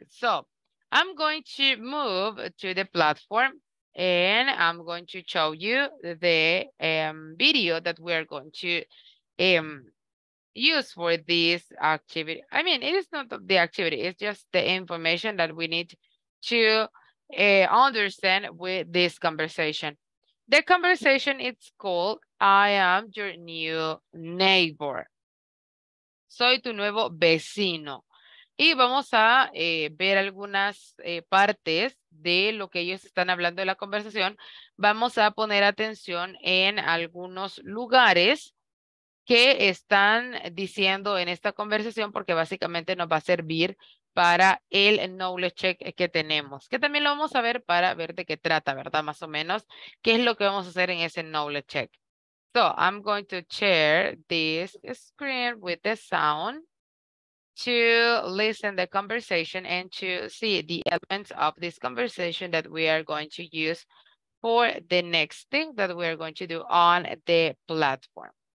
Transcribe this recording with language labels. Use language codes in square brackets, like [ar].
[en] So I'm going to move to the platform and I'm going to show you the video that we are going to use for this activity. I mean, it is not the activity, it's just the information that we need to understand with this conversation. The conversation is called I am your new neighbor. [es] Soy tu nuevo vecino. Y vamos a ver algunas partes de lo que ellos están hablando de la conversación. Vamos a poner atención en algunos lugares que están diciendo en esta conversación, porque básicamente nos va a servir para el [en] knowledge check [es] que tenemos, que también lo vamos a ver para ver de qué trata, ¿verdad? Más o menos, qué es lo que vamos a hacer en ese [en] knowledge check. So, I'm going to share this screen with the sound to listen the conversation and to see the elements of this conversation that we are going to use for the next thing that we are going to do on the platform.